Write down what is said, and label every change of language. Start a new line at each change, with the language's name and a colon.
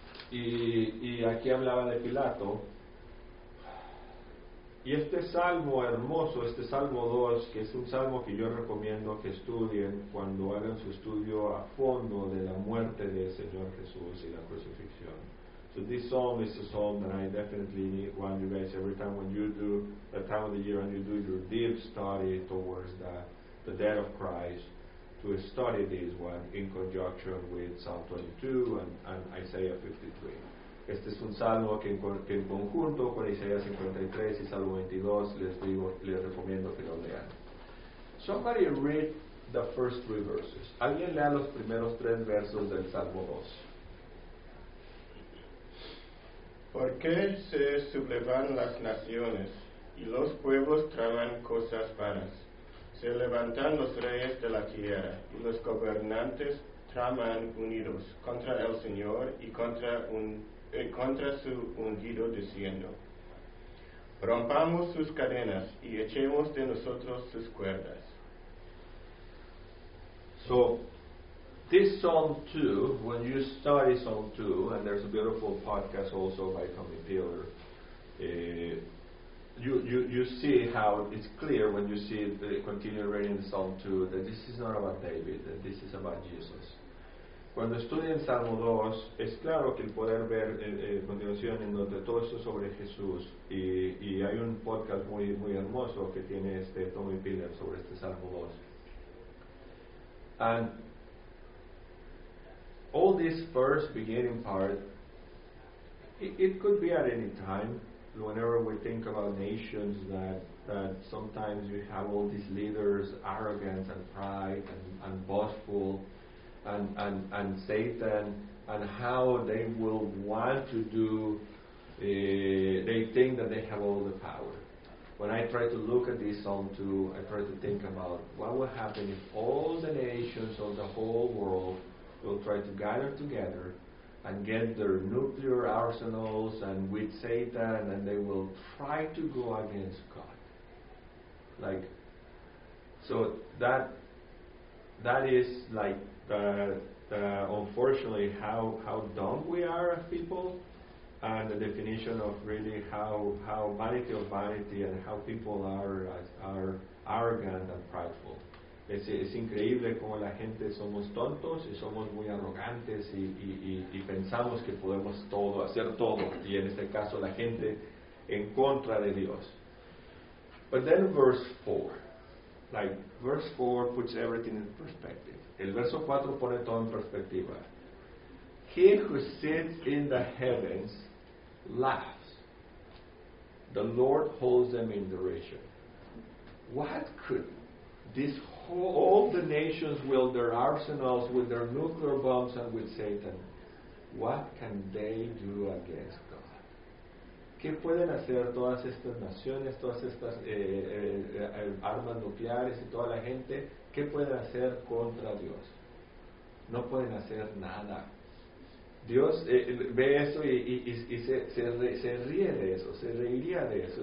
Spanish: Y aquí hablaba de Pilato. Y este salmo hermoso, este salmo 2, que es un salmo que yo recomiendo que estudien cuando hagan su estudio a fondo de la muerte del Señor Jesús y la crucifixión.
English: So this psalm is a psalm that I definitely need one you guys every time when you do the time of the year and you do your deep study towards that the death of Christ, to study this one in conjunction with Psalm 22 and Isaiah 53.
Spanish: Este es un salmo que en conjunto con Isaías 53 y Salmo 22 les recomiendo que lo lean.
English: Somebody read the first three verses.
Spanish: Alguien lea los primeros tres versos del Salmo 2. ¿Por qué se sublevan las naciones y los pueblos traman cosas vanas? Se levantan los reyes de la tierra y los gobernantes traman unidos contra el Señor y contra su ungido, diciendo: rompamos sus cadenas y echemos de nosotros sus cuerdas.
English: So, this Psalm 2, when you study Psalm 2, and there's a beautiful podcast also by Tommy Taylor, you see how it's clear when you see the continued reading of Psalm 2 that this is not about David, that this is about Jesus.
Spanish: Cuando estudian Salmo 2, es claro que el poder ver en continuación en donde todo esto sobre Jesús, y hay un podcast muy, muy hermoso que tiene este Tommy Piller sobre este Salmo 2.
English: And all this first beginning part, it could be at any time, whenever we think about nations, that sometimes you have all these leaders, arrogance and pride and boastful, and Satan, and how they will want to do, they think that they have all the power. When I try to look at this Psalm 2, I try to think about what will happen if all the nations of the whole world will try to gather together and get their nuclear arsenals and with Satan, and they will try to go against God. Like, so that is like, unfortunately, how dumb we are as people, and the definition of really how vanity of vanity, and how people are arrogant and prideful.
Spanish: Es increíble cómo la gente somos tontos y somos muy arrogantes y pensamos que podemos todo hacer todo, y en este caso la gente en contra de Dios.
English: But then verse 4 puts everything in perspective.
Spanish: El verso 4 pone todo en perspectiva.
English: He who sits in the heavens laughs. The Lord holds them in derision. What could this whole, all the nations with their arsenals, with their nuclear bombs and with Satan, what can they do against God?
Spanish: ¿Qué pueden hacer todas estas naciones, todas estas armas nucleares y toda la gente? ¿Qué pueden hacer contra Dios? No pueden hacer nada. Dios ve eso y se ríe de eso, se reiría de eso.